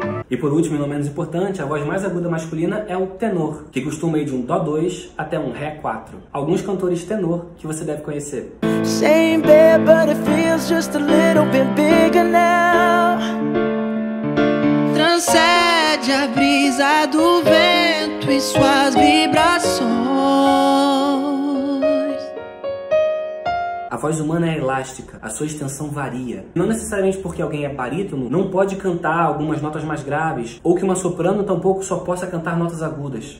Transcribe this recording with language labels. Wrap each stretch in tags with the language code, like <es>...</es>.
<pt>E por último, e não menos importante, a voz mais aguda masculina é o tenor, que costuma ir de um Dó 2 até um Ré 4. Alguns cantores tenor que você deve conhecer.</pt> <en>Same bed, but it feels just a little bit bigger now.</en> <pt>Transcende a brisa do vento e suas vibrações. A voz humana é elástica, a sua extensão varia. Não necessariamente porque alguém é barítono, não pode cantar algumas notas mais graves, ou que uma soprano tampouco só possa cantar notas agudas.</pt>